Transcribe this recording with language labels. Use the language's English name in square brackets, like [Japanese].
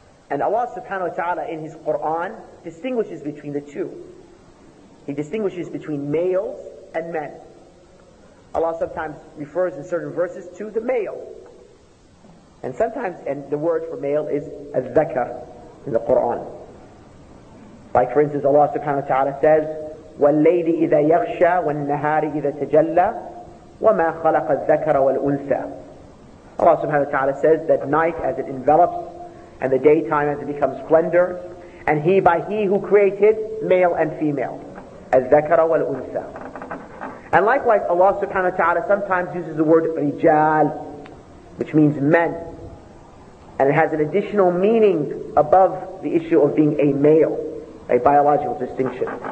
[English] And Allah subhanahu wa ta'ala in His Qur'an distinguishes between the two. He distinguishes between males and men. Allah sometimes refers in certain verses to the male. And sometimes, and the word for male is al-dhakar in the Qur'an. Like for instance, Allah subhanahu wa ta'ala says, [Arabic] وَاللَّيْلِ إِذَا يَغْشَى وَالنَّهَارِ إِذَا تَجَلَّى وَمَا خَلَقَ الذَّكَرَ وَالْأُنْثَى. [English] Allah subhanahu wa ta'ala says that night as it envelops, and the daytime as it becomes splendor, and He by He who created male and female, al-dhakara wal-unsa. And likewise, Allah subhanahu wa ta'ala sometimes uses the word rijal, which means men, and it has an additional meaning above the issue of being a male, a biological distinction.